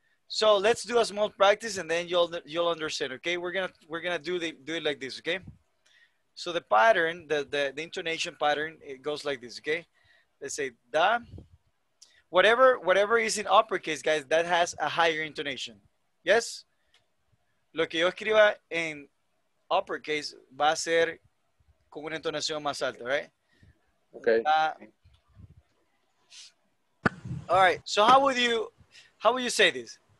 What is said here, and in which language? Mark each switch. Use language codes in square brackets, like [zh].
[en] So let's do a small practice, and then you'll understand. Okay, we're gonna do it like this. Okay. So the pattern, the intonation pattern, it goes like this. Okay. Let's say da. Whatever is in uppercase, guys, that has a higher intonation. Yes. [es] Lo que yo escriba en uppercase va a ser con una entonación más alta, [en] right? Okay. All right, so how would you say this?